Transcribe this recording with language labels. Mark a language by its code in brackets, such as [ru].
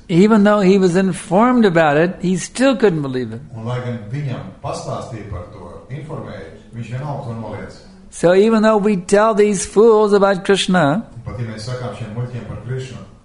[en] Even though he was informed about it, he still couldn't believe it. [lv] Un lai gan viņam pastāstīja par to, informēja, viņš vienalga to noliedz. [en] So even though we tell these fools about Krishna, [lv] pat ja mēs sakām šiem muļķiem par Krishna,